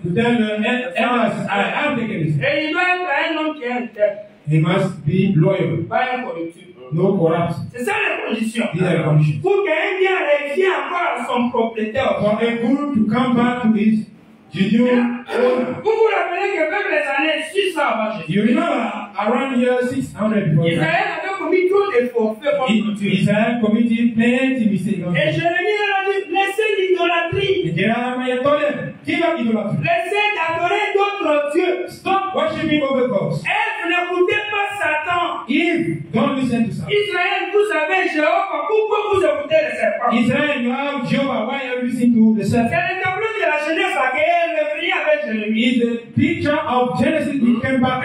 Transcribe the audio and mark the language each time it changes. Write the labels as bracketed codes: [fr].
[en] You tell the elders. I have taken this. [fr] Et il doit être un homme qui est un tel. [en] He must be loyal. [fr] Pas un corrupteur. [en] No corrupt. [fr] C'est ça la condition. Il y a la condition. Pour qu'un bien revienne encore à son propriétaire. [en] For a good to come back to his genuine owner. [fr] Vous vous rappelez que même les années 600 avant [en] Jésus. You remember around here 600 [fr] before. Israël avait commis trop de fautes. [en] Israël committed plenty of mistakes. [fr] Et Jérémie a dit, laissez l'idolâtrie. Jérémie a dit, qui va idolâtrie? Laissez d'adorer d'autres dieux. [en] Stop worshiping other gods. [fr] Eve, n'écoutez pas Satan. [en] Eve, don't listen to Satan. [fr] Israël, vous avez Jéhovah, pourquoi vous écoutez les serpents? [en] Israël, you have Jehovah, why are you listening to the serpent? Is the picture of Genesis who came back